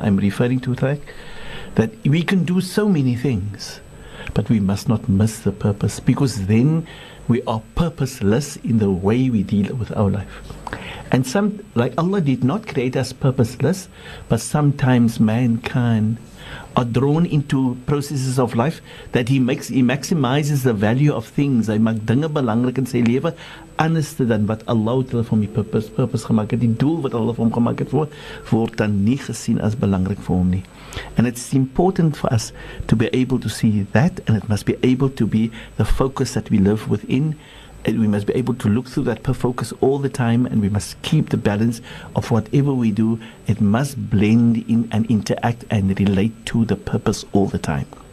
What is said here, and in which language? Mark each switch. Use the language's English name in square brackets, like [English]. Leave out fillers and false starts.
[English] I'm referring to the fact that we can do so many things, but we must not miss the purpose, because then we are purposeless in the way we deal with our life. And some, like Allah did not create us purposeless, but sometimes mankind are drawn into processes of life that he maximizes the value of things. [Afrikaans] I maak dinge belangrik in sy lewe anderste dan wat Allah het vir my purpose gemaak het. Die doel wat Allah vir hom gemaak het word dan nie gesien as belangrik vir hom nie. [English] And it's important for us to be able to see that, and it must be able to be the focus that we live within. And we must be able to look through that focus all the time, and we must keep the balance of whatever we do. It must blend in and interact and relate to the purpose all the time.